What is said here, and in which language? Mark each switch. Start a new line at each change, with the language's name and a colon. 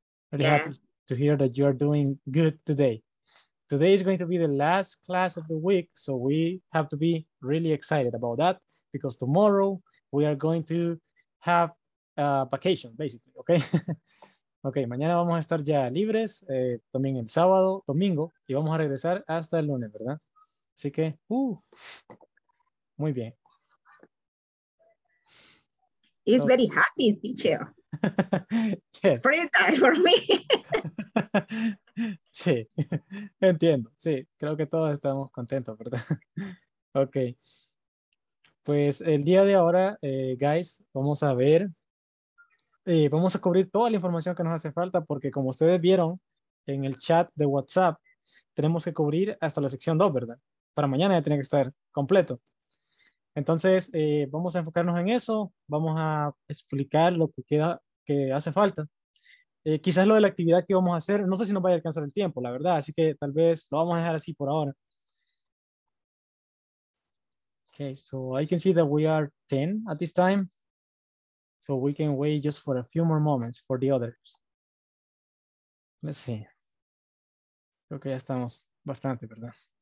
English: Really happy to hear that you are doing good today. Today is going to be the last class of the week, so we have to be really excited about that because tomorrow we are going to have a vacation, basically, okay?
Spanish: Okay, mañana vamos a estar ya libres, también el sábado, domingo, y vamos a regresar hasta el lunes, ¿verdad? Así que, muy bien.
English: He's very happy, teacher. Yes. It's free time for me.
Spanish: Sí, entiendo. Sí, creo que todos estamos contentos, ¿verdad? Ok. Pues el día de ahora, guys, vamos a ver. Vamos a cubrir toda la información que nos hace falta porque como ustedes vieron en el chat de WhatsApp, tenemos que cubrir hasta la sección 2, ¿verdad? Para mañana ya tiene que estar completo. Entonces, vamos a enfocarnos en eso. Vamos a explicar lo que queda, que hace falta. Quizás lo de la actividad que vamos a hacer, no sé si nos vaya a alcanzar el tiempo, la verdad. Así que tal vez lo vamos a dejar así por ahora.
English: Okay, so I can see that we are 10 at this time. So we can wait just for a few more moments for the others. Let's see.
Spanish: Creo que ya estamos bastante, ¿verdad?